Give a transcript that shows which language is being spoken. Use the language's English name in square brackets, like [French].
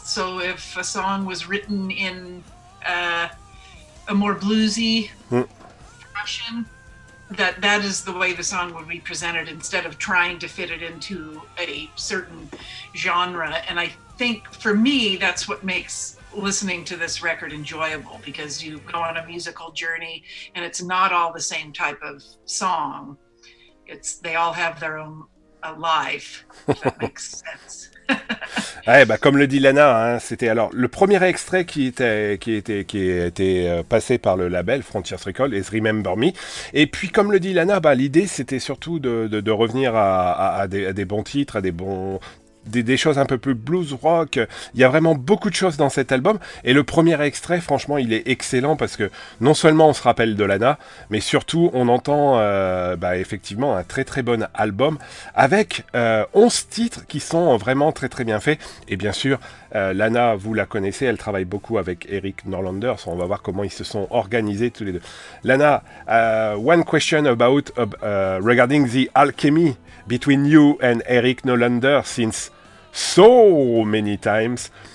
[English] So if a song was written in a more bluesy fashion, that is the way the song would be presented, instead of trying to fit it into a certain genre. And I think for me, that's what makes listening to this record enjoyable, because you go on a musical journey and it's not all the same type of song. They all have their own alive, if that makes sense. [French] Ouais, bah, comme le dit Lana, hein, c'était alors le premier extrait qui était passé par le label Frontiers Records et Remember Me. Et puis comme le dit Lana, bah, l'idée c'était surtout de revenir à des bons titres, à des bons des choses un peu plus blues rock. Il y a vraiment beaucoup de choses dans cet album. Et le premier extrait, franchement, il est excellent parce que non seulement on se rappelle de Lana, mais surtout on entend effectivement un très très bon album avec 11 titres qui sont vraiment très très bien faits. Et bien sûr, Lana, vous la connaissez, elle travaille beaucoup avec Eric Norlander. On va voir comment ils se sont organisés tous les deux. [English] Lana, one question about regarding the alchemy between you and Eric Norlander since so many times.